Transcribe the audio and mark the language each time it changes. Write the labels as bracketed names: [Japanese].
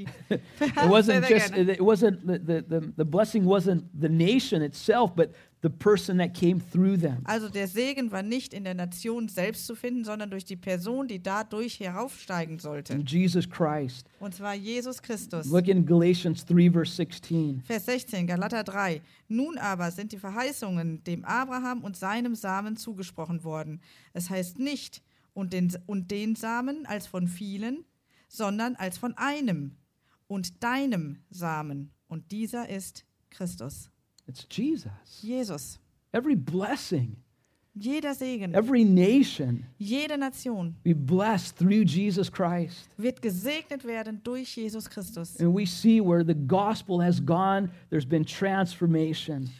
[English] it wasn't just it wasn't the blessing wasn't the nation itself, but the person that came through them. [German] Also der Segen war nicht in der Nation selbst zu finden, sondern durch die Person, die dadurch heraufsteigen sollte. [English] In Jesus Christ. [German] Und zwar Jesus Christus. [English] Look in Galatians 3, verse 16. [German] Vers 16, Galater 3. Nun aber sind die Verheißungen dem Abraham und seinem Samen zugesprochen worden. Es heißt nicht, und den Samen als von vielen, sondern als von einem und deinem Samen. Und dieser ist Christus. [English] It's Jesus. Jesus. Every blessing. [German] Jeder Segen. [English] Every nation. [German] Jede Nation. [English] We bless through Jesus Christ. [German] Wird gesegnet werden durch Jesus Christus. [English] And we see where the gospel has gone, there's been transformation.